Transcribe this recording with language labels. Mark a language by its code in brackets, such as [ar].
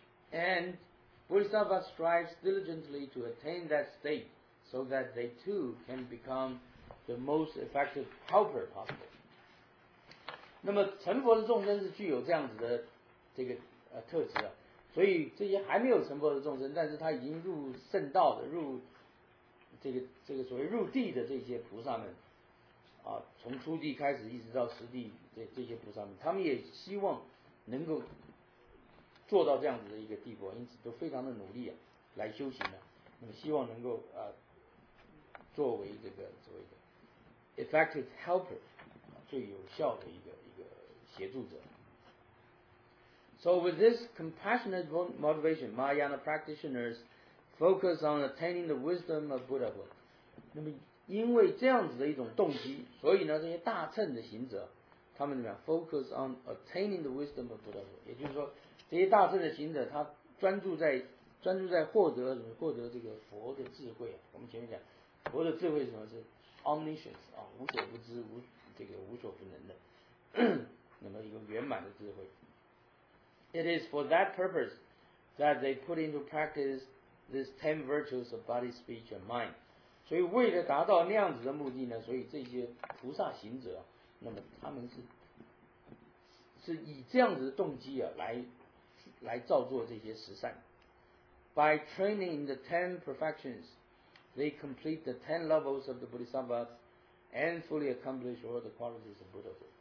[en] And Bodhisattva strives diligently to attain that state so that they too can become the most effective helper possible。 [zh] 那么成佛的众生是具有这样子的这个特质啊，所以这些还没有成佛的众生，但是他已经入圣道的入这个所谓入地的这些菩萨们啊，从初地开始一直到十地，这些菩萨们他们也希望能够做到这样子的一个地步，因此都非常的努力啊来修行啊，那么希望能够作为这个所谓的 [en] effective helper、 [zh] 啊、最有效的一个协助者。 [en] So with this compassionate motivation, Mahayana practitioners focus on attaining the wisdom of Buddhahood. [zh] 那么因为这样子的一种动机，所以呢这些大乘的行者他们怎么样 [en] focus on attaining the wisdom of Buddhahood， [zh] 也就是说这些大乘的行者他专注在获得这个佛的智慧。我们前面讲佛的智慧是什么？是 omniscience、啊、无所不知无所不能的那么一个圆满的智慧。 [en] It is for that purpose that they put into practiceThese ten virtues of body, speech, and mind. [zh] 所以为了达到那样子的目的呢，所以这些菩萨行者，那么他们是以这样子的动机啊，来造作这些十善。 [en] By training the ten perfections, they complete the ten levels of the Bodhisattvas and fully accomplish all the qualities of Buddha.